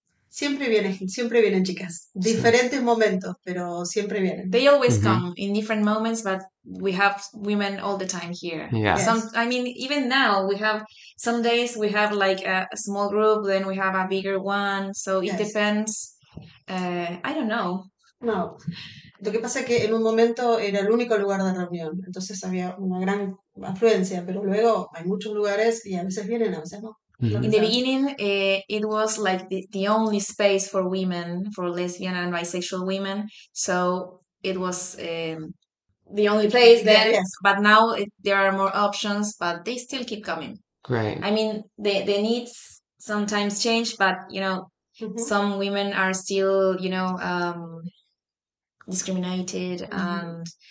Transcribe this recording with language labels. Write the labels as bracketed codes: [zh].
[es] Siempre vienen chicas, diferentes momentos, pero siempre vienen. [en] They always come in different moments, but we have women all the time here. Yeah. Yes. Some, I mean, even now we have some days we have like a small group, then we have a bigger one. So it depends. I don't know. No. [es] Lo que pasa es que en un momento era el único lugar de reunión, entonces había una gran afluencia, pero luego hay muchos lugares y a veces vienen, a veces no. [en] In the beginning, it was like the only space for women, for lesbian and bisexual women. So it was the only place then. Yeah, yes. But now there are more options, but they still keep coming. Great. I mean, the needs sometimes change, but, you know, some women are still, you know, discriminated and...